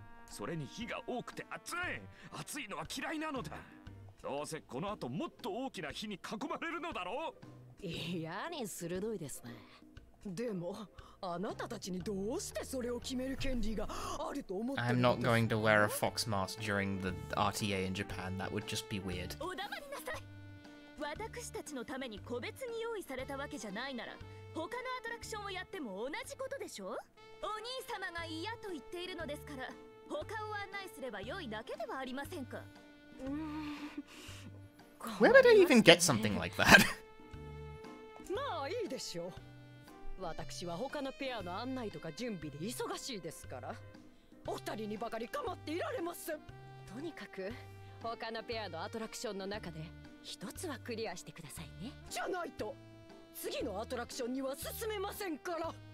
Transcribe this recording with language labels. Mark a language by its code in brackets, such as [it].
[ja] それに火が多くて熱い、熱いのは嫌いなのだ。どうせこの後もっと大きな火に囲まれるのだろう。嫌に鋭いですね。でもあなたたちにどうしてそれを決める権利があると思ってるんです [en] か。 I'm not going to wear a fox mask during the RTA in Japan. That would just be weird. [ja] お黙りなさい。私たちのために個別に用意されたわけじゃないなら他のアトラクションをやっても同じことでしょ。お兄様が嫌と言っているのですから他を案内すれば良いだけではありませんか。 [en] Where did I even get something like that? [ja] まあいいでしょう。私は他のペアの案内とか準備で忙しいですから、お二人にばかり構っていられません。とにかく他のペアのアトラクションの中で一つはクリアしてくださいね。じゃないと次のアトラクションには進めませんから。